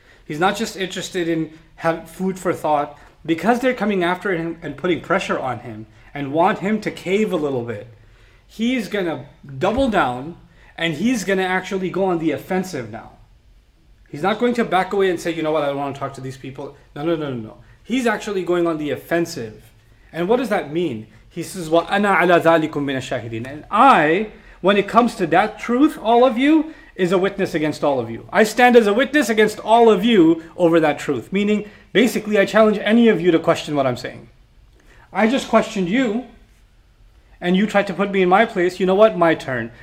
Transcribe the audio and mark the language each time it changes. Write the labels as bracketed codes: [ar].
[en] He's not just interested in have food for thought. Because they're coming after him and putting pressure on him and want him to cave a little bit, he's going to double down and he's going to actually go on the offensive now. He's not going to back away and say, you know what, I don't want to talk to these people. No. He's actually going on the offensive. And what does that mean? He says, [ar] وَأَنَا عَلَى ذَلِكُم مِّنَ الشَّاهِدِينَ. [en] And I, when it comes to that truth, all of you, is a witness against all of you. I stand as a witness against all of you over that truth. Meaning, basically, I challenge any of you to question what I'm saying. I just questioned you, and you tried to put me in my place. You know what? My turn.